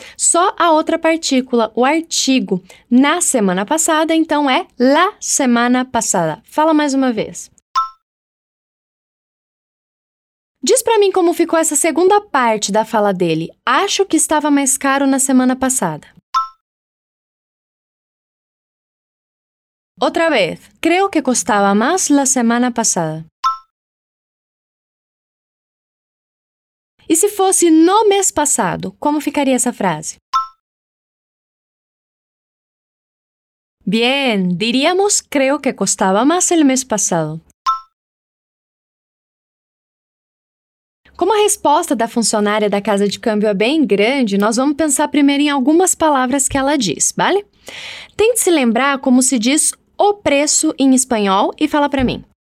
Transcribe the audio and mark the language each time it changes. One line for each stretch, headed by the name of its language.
Portuguese: Só a outra partícula, o artigo, na semana passada, então é la semana passada. Fala mais uma vez. Diz para mim como ficou essa segunda parte da fala dele. Acho que estava mais caro na semana passada. Outra vez.
Spanish: Creo que costaba más la semana pasada.
Portuguese: E se fosse no mês passado, como ficaria essa frase?
Spanish: Bien, diríamos creo que costaba más el mes pasado.
Portuguese: Como a resposta da funcionária da casa de câmbio é bem grande, nós vamos pensar primeiro em algumas palavras que ela diz, vale? Tente se lembrar como se diz o preço em espanhol e fala para mim.